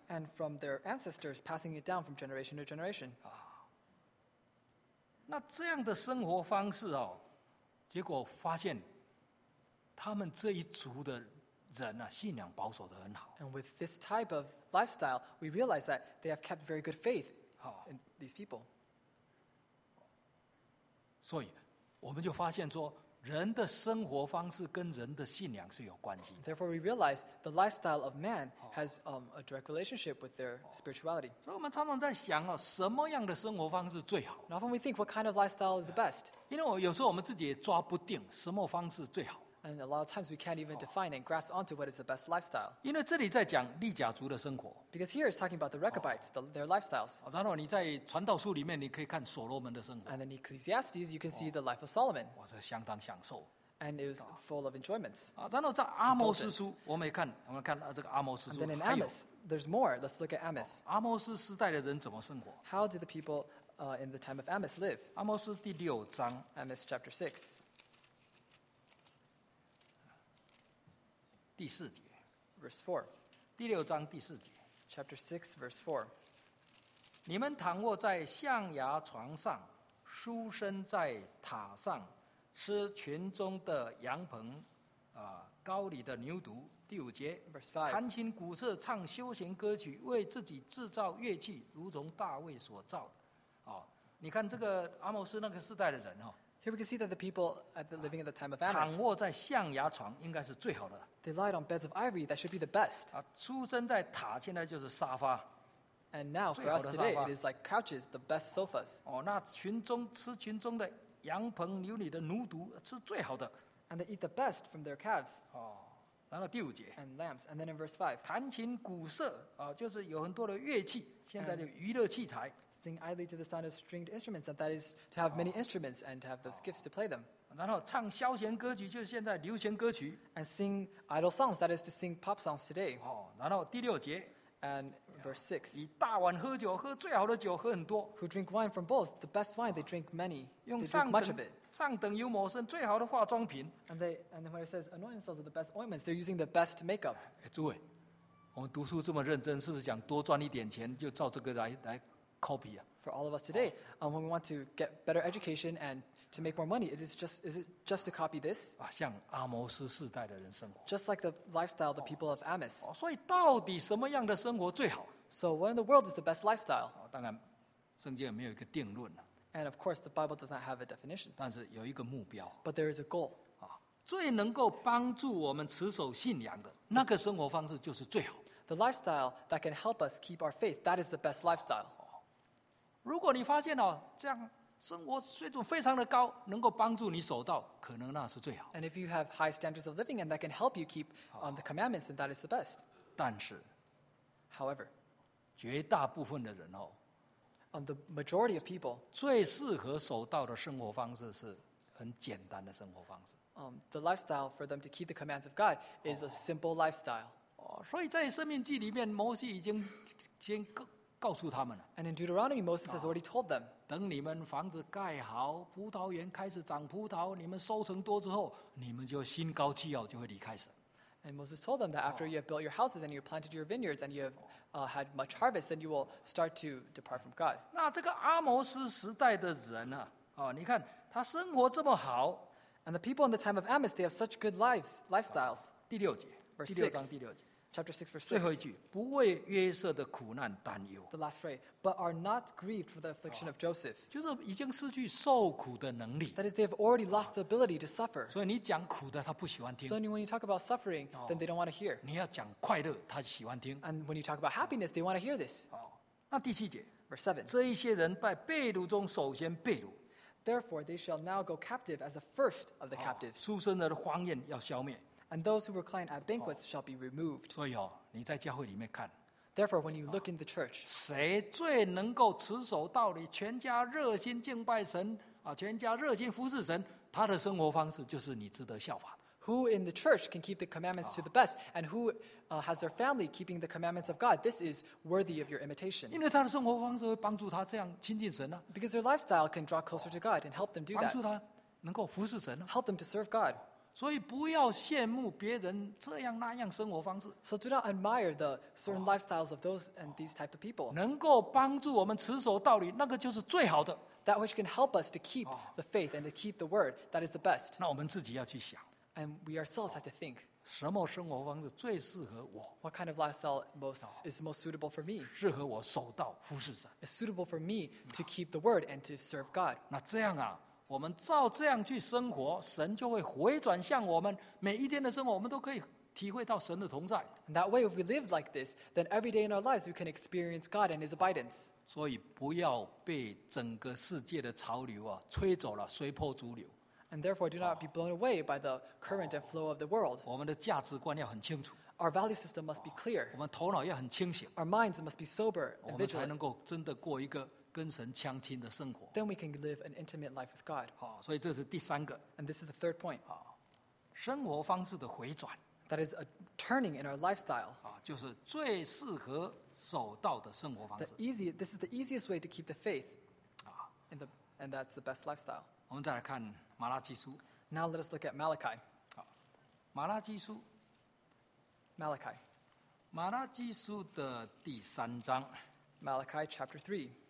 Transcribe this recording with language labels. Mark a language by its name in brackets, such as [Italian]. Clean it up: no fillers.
[English] And from their ancestors passing it down from generation to generation. [Chinese] 那这样的生活方式结果发现他们这一族的人信仰保守得很好。 [English] And with this type of lifestyle, we realize that they have kept very good faith in these people. [Chinese] 所以，我们就发现说，人的生活方式跟人的信仰是有关系的。 [English] Therefore, we realize the lifestyle of man has a direct relationship with their spirituality. [Chinese] 所以我们常常在想哦，什么样的生活方式最好 [English] ？Often we think what kind of lifestyle is the best. [Chinese] 因为有时候我们自己也抓不定什么方式最好。 [English] And a lot of times we can't even define and grasp onto what is the best lifestyle. [Chinese] 因为这里在讲利甲族的生活。 [English] Because here it's talking about the Rechabites, their lifestyles. [Chinese] 然后你在传道书里面你可以看所罗门的生活。 [English] And in Ecclesiastes, you can see the life of Solomon. [Chinese] 哇，这相当享受。 [English] And it was full of enjoyments. [Chinese] 然后在阿摩斯书，我们看这个阿摩斯书。 [English] And then in Amos, there's more. Let's look at Amos. [Chinese] 阿摩斯时代的人怎么生活 [English] ？How did the people in the time of Amos live? [Chinese] 阿摩斯第六章。 [English] Amos chapter 6. [Chinese] 第四节 [English] verse 4, [Chinese] 第六章第四节 [English] chapter 6 verse 4, [Chinese] 你们躺卧在象牙床上，舒身在塔上，吃群中的羊棚，高里的牛犊。第五节 [English] verse 5, [Chinese] 弹琴鼓瑟，唱休闲歌曲，为自己制造乐器，如同大卫所造的。你看这个阿摩斯那个世代的人哦。 [English] Here we can see that the people at the living at the time of Amos [Chinese] 躺卧在象牙床应该是最好的。 [English] They lied on beds of ivory, that should be the best. [Chinese] 出生在塔，现在就是沙发。 [English] And now for us today, it is like couches, the best sofas. [Chinese] 那群中的羊棚牛里的奴犊吃最好的。 [English] And they eat the best from their calves. [Chinese] 然后第五节。 [English] And lambs. And then in verse 5. [Chinese] 弹琴鼓瑟，就是有很多的乐器，现在就娱乐器材。 [English] Sing idly to the sound of stringed instruments, and that is to have many instruments and to have those gifts to play them. [Chinese] 然后唱消闲歌曲，就是现在流行歌曲。 [English] And sing idle songs, that is to sing pop songs today. [Chinese] 然后第六节。 [English] And verse 6. [Chinese] 以大碗喝酒，喝最好的酒，喝很多。 [English] Who drink wine from bowls, the best wine, they drink many. [Chinese] 用上等 [English] they drink much of it. [Chinese] 上等油抹身，最好的化妆品。 [English] And then when it says anoint themselves with the best ointments, they're using the best makeup. [Chinese] 诸位，我们读书这么认真，是不是想多赚一点钱，就照这个来？ [English] For all of us today, when we want to get better education and to make more money, is it just to copy this? [Chinese] 像阿摩斯世代的人生活。 [English] Just like the lifestyle the people of Amos. [Chinese] 所以到底什么样的生活最好 [English] ？So what in the world is the best lifestyle? [Chinese] 当然，圣经也没有一个定论。 [English] And of course, the Bible does not have a definition. [Chinese] 但是有一个目标。 [English] But there is a goal. [Chinese] 最能够帮助我们持守信仰的那个生活方式就是最好。 [English] The lifestyle that can help us keep our faith, that is the best lifestyle. [Chinese] 如果你发现这样生活水准非常的高，能够帮助你守道，可能那是最好。 [English] And if you have high standards of living and that can help you keep the commandments, then that is the best. [Chinese] 但是 [English] ，however， [Chinese] 绝大部分的人 [English] the majority of people [Chinese] 最适合守道的生活方式是很简单的生活方式。 [English] The lifestyle for them to keep the commands of God is a simple lifestyle. [Chinese] 所以在《生命记》里面，摩西已经告诉他们了。 [English] And in Deuteronomy, Moses has already told them. [Chinese] 等你们房子盖好，葡萄园开始长葡萄，你们收成多之后，你们就心高气傲，就会离开神。 [English] And Moses told them that after you have built your houses and you planted your vineyards and you have had much harvest, then you will start to depart from God. [Chinese] 那这个阿摩斯时代的人你看他生活这么好。 [English] And the people in the time of Amos, they have such good lives, lifestyles. [Chinese] 第六节 [English] ，verse [Chinese] 6。第六章第六节。 [English] Chapter 6 verse [Chinese] 6. 最后一句，不为约瑟的苦难担忧。 [English] The last phrase, but are not grieved for the affliction of Joseph. [Chinese] 就是已经失去受苦的能力。 [English] That is, they have already lost the ability to suffer. [Chinese] 所以你讲苦的，他不喜欢听。 [English] So when you talk about suffering, then they don't want to hear. [Chinese] 你要讲快乐，他喜欢听。 [English] And when you talk about happiness, they want to hear this. [Chinese] 那第七节 [English] verse 7. [Chinese] 这一些人在被掳中首先被掳。 [English] Therefore, they shall now go captive as the first of the captives. [Chinese] 出生的荒宴要消灭。 [English] And those who recline at banquets shall be removed. [Chinese] 所以你在教会里面看。 [English] Therefore, when you look in the church, [Chinese] 谁最能够持守道理，全家热心敬拜神，全家热心服侍神，他的生活方式就是你值得效法的。 [English] Who in the church can keep the commandments to the best, and who has their family keeping the commandments of God? This is worthy of your imitation. [Chinese] 因为他的生活方式会帮助他这样亲近神 [English] Because their lifestyle can draw closer to God and help them do that. [Chinese] 帮助他能够服侍神 [English] Help them to serve God. [Chinese] 所以不要羡慕别人这样那样生活方式。 [English] So do not admire the certain lifestyles of those and these type of people. [Chinese] 能够帮助我们持守道理，那个就是最好的。 [English] That which can help us to keep the faith and to keep the word, that is the best. [Chinese] 那我们自己要去想。 [English] And we ourselves have to think. [Chinese] 什么生活方式最适合我 [English] ？What kind of lifestyle is most suitable for me? [Chinese] 适合我守道服事神。 [English] Is suitable for me to keep the word and to serve God. [Chinese] 那这样我们照这样去生活，神就会回转向我们，每一天的生活我们都可以体会到神的同在。 [English] And that way, if we live like this, then every day in our lives, we can experience God and His abidance. [Chinese] 所以不要被整个世界的潮流啊吹走了，随波逐流。 [English] And therefore, do not be blown away by the current and flow of the world. [Chinese] 我们的价值观要很清楚。 [English] Our value system must be clear. [Chinese] 我们头脑要很清醒。 [English] Our minds must be sober and vigilant. [Chinese] 我们才能够真的过一个跟神相亲的生活。 [English] Then we can live an intimate life with God. [Chinese] 所以这是第三个。 [English] And this is the third point. [Chinese] 生活方式的回转。 [English] That is a turning in our lifestyle. [Chinese] 就是最适合守道的生活方式。 [English] This is the easiest way to keep the faith, and that's the best lifestyle. [Chinese] 我们再来看马拉基书。 [English] Now let us look at Malachi. [Chinese] 马拉基书。 [English] Malachi. [Chinese] 马拉基书的第三章。 [English] Malachi chapter 3.